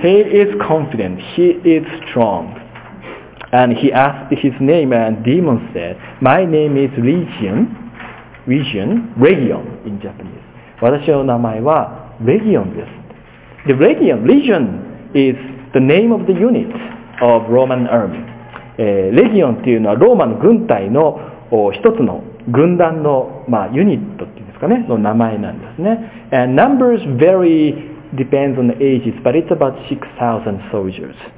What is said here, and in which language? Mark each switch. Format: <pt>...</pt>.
<en>He is confident. He is strong. And he asked his name, and demon said, "My name is Legion, Legion, Legion in Japanese.</en> <ja>私の名前は Legion です。</ja> <en>The Legion, Legion is the name of the unit of Roman army.</en> <ja>Legion というのはローマの軍隊の一つの軍団の、まあ、ユニットっていうんですかね、の名前なんですね。</ja> <en>And numbers vary, depends on the ages, but it's about 6,000 soldiers.</en>